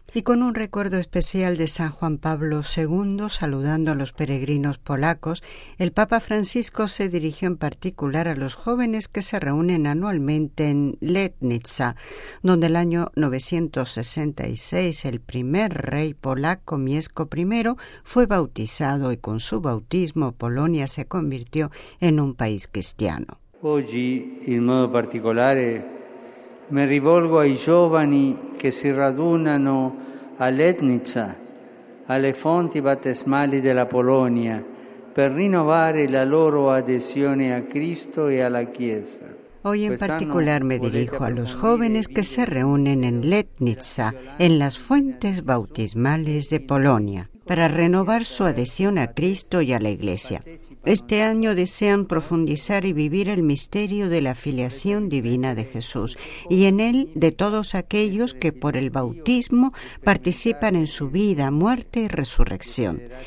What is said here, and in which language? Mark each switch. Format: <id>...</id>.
<es>Y con un recuerdo especial de San Juan Pablo II, saludando a los peregrinos polacos, el Papa Francisco se dirigió en particular a los jóvenes que se reúnen anualmente en Letnica, donde el año 966 el primer rey polaco, Mieszko I, fue bautizado y con su bautismo Polonia se convirtió en un país cristiano. Hoy, en modo particular,</es> <it>me rivolgo ai giovani che si radunano a Letnica, alle fonti battesmali della Polonia, per rinnovare la loro adesione a Cristo e alla Chiesa.</it> <es>Hoy en particular me dirijo a los jóvenes que se reúnen en Letnica, en las fuentes bautismales de Polonia, para renovar su adhesión a Cristo y a la Iglesia. Este año desean profundizar y vivir el misterio de la filiación divina de Jesús y en él de todos aquellos que por el bautismo participan en su vida, muerte y resurrección.</es>